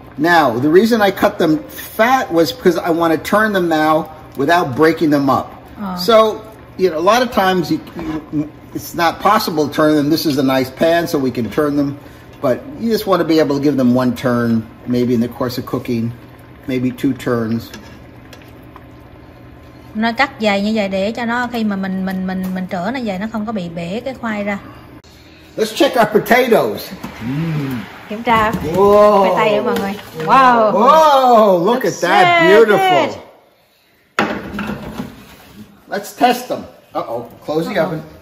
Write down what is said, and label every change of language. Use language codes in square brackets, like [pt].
[en] Now the reason I cut them fat was because I want to turn them now without breaking them up. So. You know, a lot of times it's not possible to turn them. This is a nice pan, so we can turn them. But you just want to be able to give them one turn, maybe in the course of cooking, maybe two turns. [vi] Nó cắt dài như vậy để cho nó khi mà mình trở nó vậy, nó không có bị bể cái khoai ra. [en] Let's check our potatoes. [vi] Kiểm tra. [en] Whoa. [vi] Mọi người. [en] Wow. Whoa, look at that. Beautiful. Good. Let's test them. Uh-oh, close the oven.